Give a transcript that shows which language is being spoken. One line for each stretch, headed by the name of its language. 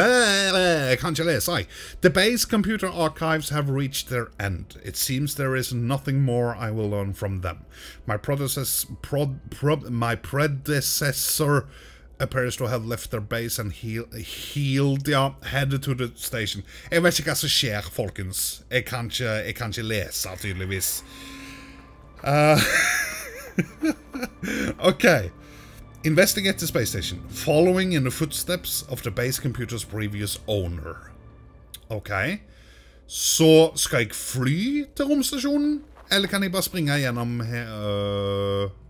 English: The base computer archives have reached their end. It seems there is nothing more I will learn from them. My predecessor appears to have left their base and headed to the station.
Norwegian: Jeg vet ikke hva som skjer, folkens. Jeg kan ikke lese, tydeligvis.
English: Okay. Investigate the space station, following in the footsteps of the base computer's previous owner.
Norwegian: Okay. Så skal jeg fly til romstasjonen? Eller kan jeg bare springe gjennom her?